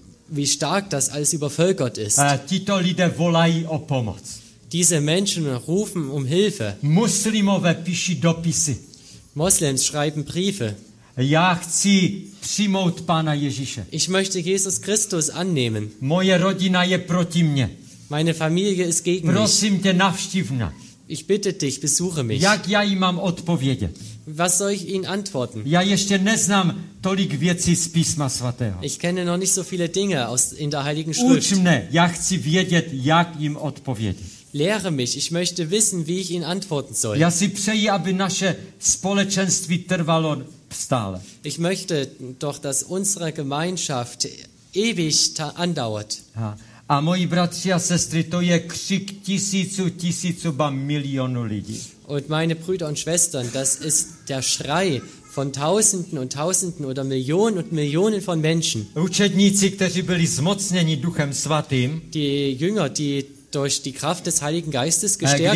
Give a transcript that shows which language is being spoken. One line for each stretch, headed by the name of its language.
German: Wie stark das alles übervölkert ist.
Czech: Tito lidé volají o pomoc.
German: Diese Menschen rufen um Hilfe.
Czech: Muslimové píší dopisy.
German: Moslems schreiben Briefe.
Czech: Já chci přijmout Pána Ježíše.
German: Ich möchte Jesus Christus annehmen.
Czech: Moje rodina je proti mně.
German: Meine Familie ist gegen mich.
Czech: Prosím tě, navštiv mě.
German: Ich bitte dich, besuche mich.
Czech: Jak já jim mám odpovědět?
German: Was soll ich ihnen antworten?
Czech: Já ještě neznám tolik věcí z Písma svatého.
German: Ich kenne noch nicht so viele Dinge in der Heiligen Schrift.
Czech: Uč mne, já chci vědět, jak jim odpovědět.
German: Lehre mich, ich möchte wissen, wie ich ihnen antworten soll.
Czech: Já si přeji, aby naše společenství trvalo stále.
German: Ich möchte doch, dass unsere Gemeinschaft ewig andauert.
Czech: A moji bratři a sestry, to je křik tisíců, tisíců, ba milionů lidí.
German: Und meine Brüder und Schwestern, das ist der Schrei von Tausenden und Tausenden oder Millionen und Millionen von Menschen.
Czech: Učedníci, kteří byli zmocněni Duchem Svatým,
German: die Jünger, die durch die Kraft des Heiligen Geistes gestärkt waren,